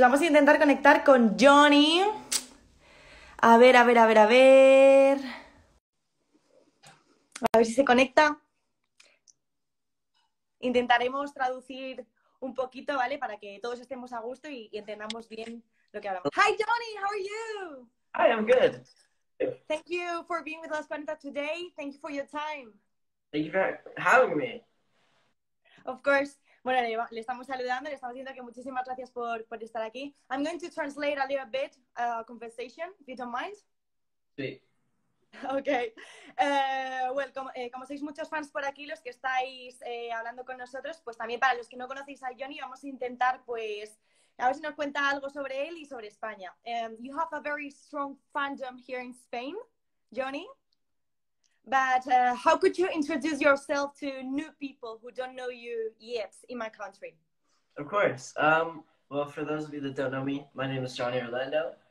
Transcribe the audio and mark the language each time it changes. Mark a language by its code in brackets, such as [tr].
[es] Vamos a intentar conectar con Johnny. A ver, a ver, a ver, a ver. A ver si se conecta. Intentaremos traducir un poquito, ¿vale? Para que todos estemos a gusto y entendamos bien lo que hablamos. [en] Hi, Johnny, how are you? Hi, I'm good. Thank you for being with us, Juanita, today. Thank you for your time. You for having me. Of course. [es] Bueno, le estamos saludando, le estamos diciendo que muchísimas gracias por estar aquí. [en] I'm going to translate a little bit our conversation, if you don't mind. [es] Sí. [en] Okay. [es] Well, como sois muchos fans por aquí, los que estáis hablando con nosotros, pues también para los que no conocéis a Johnny, vamos a intentar, pues, a ver si nos cuenta algo sobre él y sobre España. [en] You have a very strong fandom here in Spain, Johnny. But how could you introduce yourself to new people who don't know you yet in my country? Of course. Well, for those of you that don't know me, my name is Johnny Orlando.